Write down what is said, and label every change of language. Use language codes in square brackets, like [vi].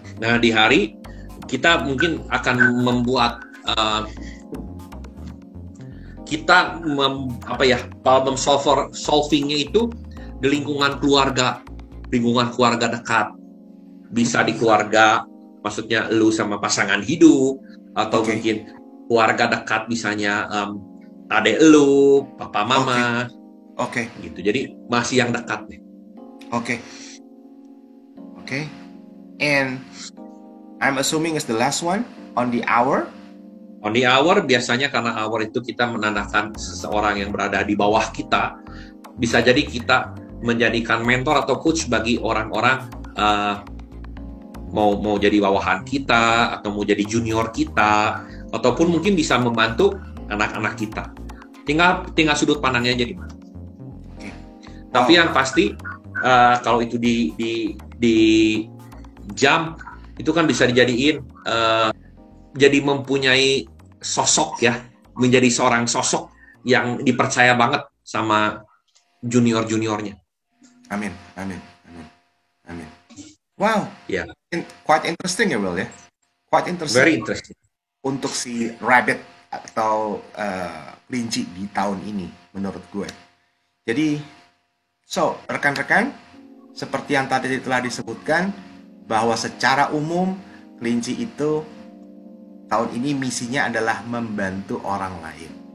[id] Nah, di hari kita mungkin akan membuat kita apa ya, problem solver solvingnya itu di lingkungan keluarga dekat. Bisa di keluarga, maksudnya lu sama pasangan hidup atau okay. mungkin keluarga dekat misalnya adek lu, papa mama. Oke. Okay. Gitu. Jadi masih yang dekat nih. Oke. Okay. Oke. Okay. [en] And I'm assuming is the last one on the hour. [id] On the hour biasanya karena hour itu kita menandakan seseorang yang berada di bawah kita. Bisa jadi kita menjadikan mentor atau coach bagi orang-orang mau jadi bawahan kita atau mau jadi junior kita. Ataupun mungkin bisa membantu anak-anak kita. Tinggal sudut pandangnya jadi mana. Okay. Tapi yang pasti kalau itu di jam itu kan bisa dijadiin jadi mempunyai sosok ya, menjadi seorang sosok yang dipercaya banget sama junior-juniornya. Amin, amin, amin, amin. Wow, yeah. [en] Quite interesting ya Will ya, quite interesting. Very interesting. [id] Untuk si rabbit atau kelinci di tahun ini, menurut gue. Jadi, so, rekan-rekan, seperti yang tadi telah disebutkan, bahwa secara umum, kelinci itu tahun ini misinya adalah membantu orang lain.